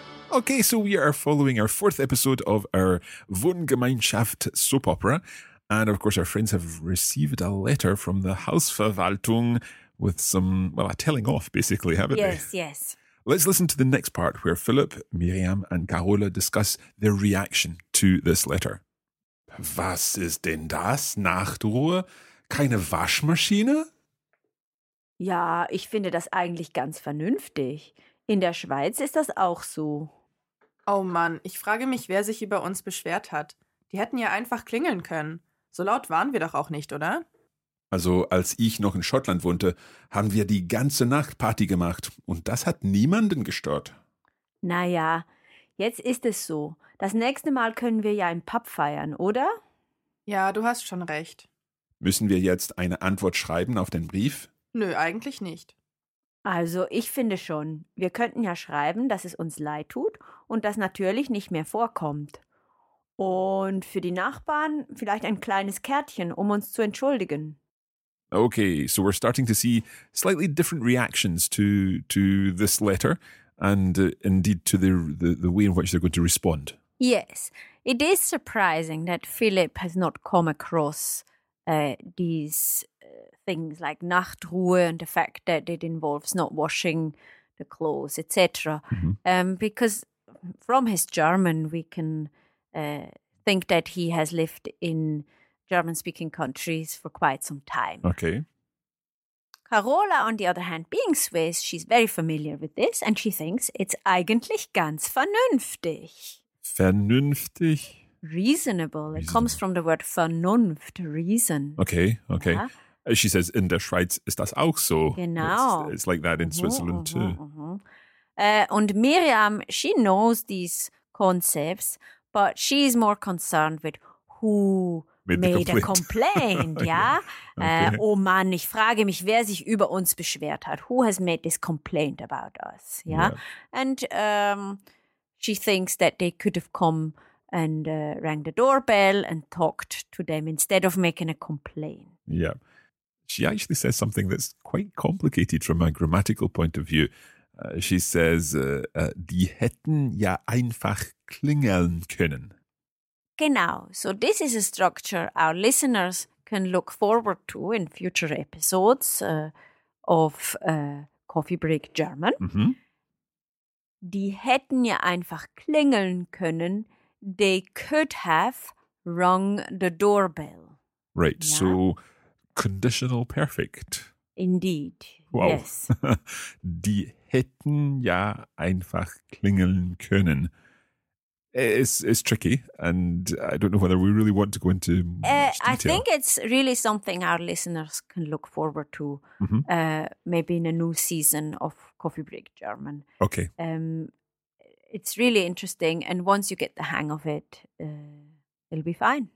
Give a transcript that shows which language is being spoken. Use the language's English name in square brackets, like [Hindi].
[English] Okay, so we are following our fourth episode of our Wohngemeinschaft soap opera. And of course, our friends have received a letter from the Hausverwaltung with some, well, a telling off, basically, haven't they? Yes, yes. Let's listen to the next part where Philip, Miriam and Carola discuss their reaction to this letter. [German] Was ist denn das, Nachtruhe? keine Waschmaschine? Ja, ich finde das eigentlich ganz vernünftig. In der Schweiz ist das auch so. Oh Mann, ich frage mich, wer sich über uns beschwert hat. Die hätten ja einfach klingeln können. So laut waren wir doch auch nicht, oder? Also, als ich noch in Schottland wohnte, haben wir die ganze Nacht Party gemacht. Und das hat niemanden gestört. Naja, jetzt ist es so. Das nächste Mal können wir ja im Pub feiern, oder? Ja, du hast schon recht. Müssen wir jetzt eine Antwort schreiben auf den Brief? Nö, eigentlich nicht. Also, ich finde schon. Wir könnten ja schreiben, dass es uns leid tut und das natürlich nicht mehr vorkommt. Und für die Nachbarn vielleicht ein kleines Kärtchen, um uns zu entschuldigen. [English] Okay, so we're starting to see slightly different reactions to this letter and indeed to the way in which they're going to respond. Yes, it is surprising that Philip has not come across these things like Nachtruhe and the fact that it involves not washing the clothes, etc. Mm-hmm. Because from his German we can think that he has lived in German-speaking countries for quite some time. Okay. Carola, on the other hand, being Swiss, she's very familiar with this and she thinks it's [German] eigentlich ganz vernünftig. Vernünftig? [English] Reasonable. It comes from the word Vernunft, reason. Okay, okay. Yeah? She says, [German] in der Schweiz ist das auch so. Genau. [English] It's like that in Switzerland too. And Miriam, she knows these concepts, but she's more concerned with who made a complaint, ja? Okay. [German] Oh Mann, ich frage mich, wer sich über uns beschwert hat. [English] Who has made this complaint about us, ja? Yeah? Yeah. And she thinks that they could have come and rang the doorbell and talked to them instead of making a complaint. Yeah. She actually says something that's quite complicated from a grammatical point of view. She says, [German] die hätten ja einfach klingeln können. Genau. [English] So this is a structure our listeners can look forward to in future episodes of Coffee Break German. Mm-hmm. [German] Die hätten ja einfach klingeln können. [English] They could have rung the doorbell. Right. Yeah. So conditional perfect. Indeed. Wow. Yes. [German] Die hätten ja einfach klingeln können. [English] It's tricky, and I don't know whether we really want to go into much detail. I think it's really something our listeners can look forward to, mm-hmm. Maybe in a new season of Coffee Break German. Okay. It's really interesting, and once you get the hang of it, it'll be fine.